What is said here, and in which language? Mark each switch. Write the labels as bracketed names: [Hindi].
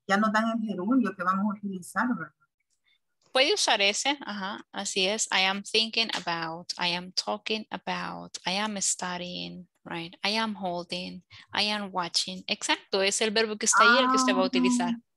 [Spanish] Ya no dan el gerundio que vamos a utilizar, ¿verdad? Puede usar ese, ajá, así es. [English] I am thinking about, I am talking about, I am studying, right? I am holding, I am watching. [Spanish] Exacto, es el verbo que está ahí, el que usted va a utilizar.